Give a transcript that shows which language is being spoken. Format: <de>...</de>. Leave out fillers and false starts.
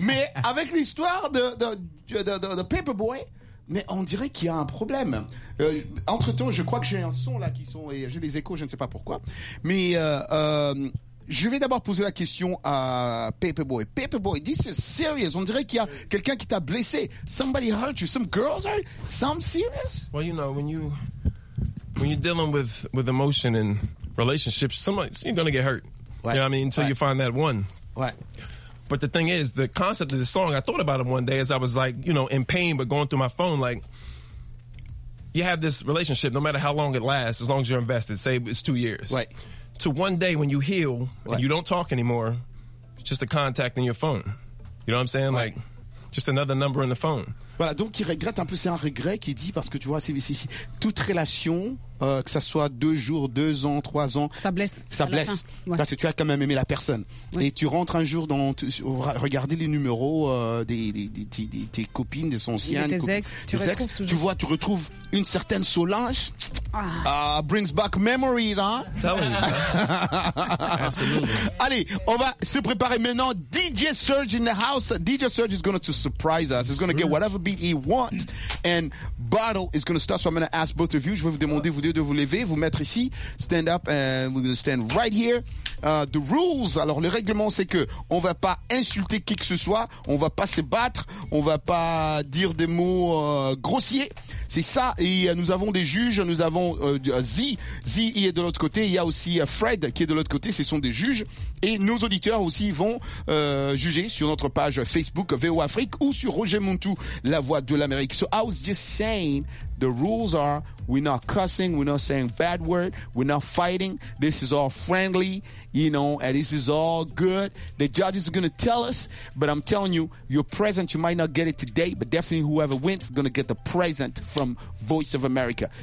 <fr>Mais avec l'histoire de Paperboy, mais on dirait qu'il y a un problème. Entre-temps, je crois que j'ai un son là qui sont, et j'ai les échos, je ne sais pas pourquoi. Mais, je vais d'abord poser la question à Paperboy. Paperboy,</fr> <en>this is serious.</en> <fr>On dirait qu'il y a quelqu'un qui t'a blessé.</fr> <en>Somebody hurt you. Some girls are. Some serious. Well, you know, when you're dealing with emotion and relationships, somebody you're gonna get hurt. Right. You know what I mean? Until right. you find that one. Right. But the thing is, the concept of the song, I thought about it one day as I was like, you know, in pain, but going through my phone, like, you have this relationship, no matter how long it lasts, as long as you're invested, say it's 2 years. Right. To one day when you heal right. and you don't talk anymore, it's just a contact in your phone. You know what I'm saying? Right. Like, just another number in the phone.</en> <fr>Voilà, donc il regrette un peu, c'est un regret qu'il dit, parce que tu vois, c'est toute relation, que ça soit 2 jours, 2 ans, 3 ans, ça blesse. Ça blesse. Ouais. Parce que tu as quand même aimé la personne. Ouais. Et tu rentres un jour dans, regarder les numéros des copines, des anciennes. Tes ex, tu retrouves. Tu vois, tu retrouves une certaine Solange.</fr> <en>Brings back memories,</en> <fr>hein. Absolument. Allez, on va se préparer maintenant. DJ Serge</fr> <en>in the house. DJ Serge is going to surprise us. He's going to get whatever beat he wants. And Bottle is going to start. So I'm going to ask both of you.</en> <fr>Je vais vous demander, vous deux, de vous lever, vous mettre ici.</fr> <en>Stand up and we're going to stand right here. The rules.</en> <fr>Alors, le règlement, c'est que on va pas insulter qui que ce soit. On va pas se battre. On va pas dire des mots grossiers. C'est ça. Et nous avons des juges. Nous avons Z il est de l'autre côté. Il y a aussi Fred qui est de l'autre côté. Ce sont des juges. Et nos auditeurs aussi vont juger sur notre page Facebook VO Afrique ou sur Roger Montou, la voix de l'Amérique.</fr> <en>So I was just saying, the rules are, we're not cussing, we're not saying bad word, we're not fighting. This is all friendly, you know, and this is all good. The judges are going to tell us, but I'm telling you, your present, you might not get it today, but definitely whoever wins is going to get the present from Voice of America.</en>